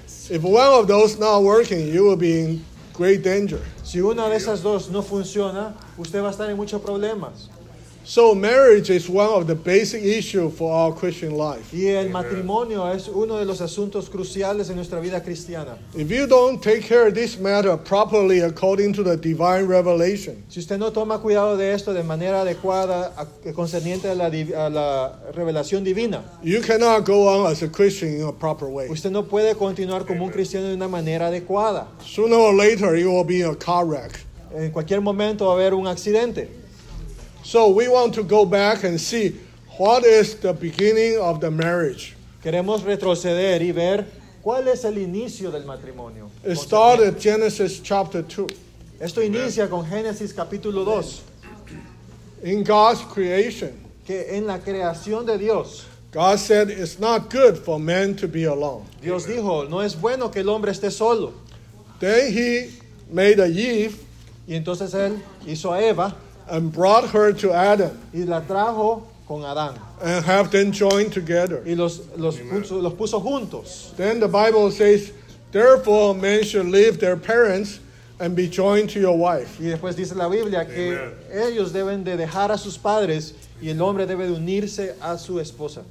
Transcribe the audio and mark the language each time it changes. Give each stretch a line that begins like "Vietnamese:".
English: If one of those not working, you will be in great danger.
Spanish: Si una de esas dos no funciona, usted va a estar en muchos problemas.
English: So marriage is one of the basic issues for our Christian life.
Spanish: Y el matrimonio es uno de los asuntos cruciales en nuestra vida cristiana.
English: If you don't take care of this matter properly according to the divine revelation,
Spanish: si usted no toma cuidado de esto de manera adecuada concerniente a la revelación divina,
English: you cannot go on as a Christian in a proper way.
Spanish: Usted no puede continuar como un cristiano de una manera adecuada.
English: Sooner or later, you will be in a car wreck.
Spanish: En cualquier momento va a haber un accidente.
English: So we want to go back and see what is the beginning of the marriage.
Spanish: Queremos retroceder y ver cuál es el inicio del matrimonio.
English: It started at Genesis chapter 2.
Spanish: Esto inicia con Génesis capítulo 2.
English: In God's creation,
Spanish: que en la creación de Dios,
English: God said it's not good for man to be alone.
Spanish: Dios dijo, no es bueno que el hombre esté solo.
English: Then he made a Eve.
Spanish: Y entonces él hizo a Eva.
English: And brought her to Adam.
Spanish: Y la trajo con Adán.
English: And have them joined together.
Spanish: Y los puso juntos.
English: Then the Bible says, therefore men should leave their parents and be joined to your wife.
Spanish: Y después dice la Biblia que ellos deben de dejar a sus padres y el hombre debe de unirse a su esposa.